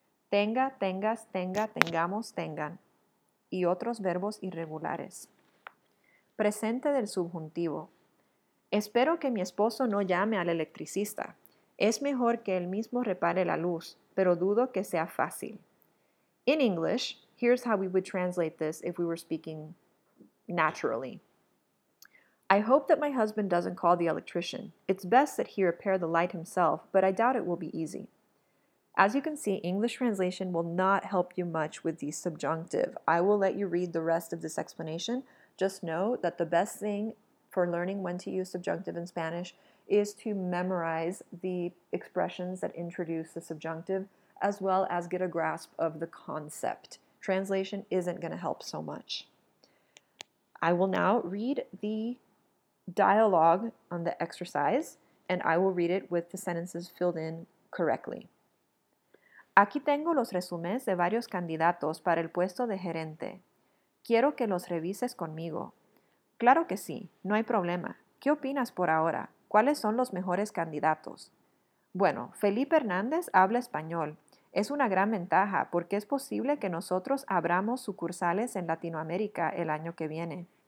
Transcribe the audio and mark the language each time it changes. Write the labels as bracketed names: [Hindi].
[Spanish] Tenga, tengas, tenga, tengamos, tengan. Y otros verbos irregulares. Presente del subjuntivo. Espero que mi esposo no llame al electricista. Es mejor que él mismo repare la luz, pero dudo que sea fácil. [English] In English, here's how we would translate this if we were speaking naturally. I hope that my husband doesn't call the electrician. It's best that he repair the light himself, but I doubt it will be easy. As you can see, English translation will not help you much with the subjunctive. I will let you read the rest of this explanation. Just know that the best thing for learning when to use subjunctive in Spanish is to memorize the expressions that introduce the subjunctive, as well as get a grasp of the concept. Translation isn't going to help so much. I will now read the dialogue on the exercise, and I will read it with the sentences filled in correctly. [Spanish] Aquí tengo los resúmenes de varios candidatos para el puesto de gerente. Quiero que los revises conmigo. Claro que sí, no hay problema. ¿Qué opinas por ahora? ¿Cuáles son los mejores candidatos? Bueno, Felipe Hernández habla español. Es una gran ventaja porque es posible que nosotros abramos sucursales en Latinoamérica el año que viene.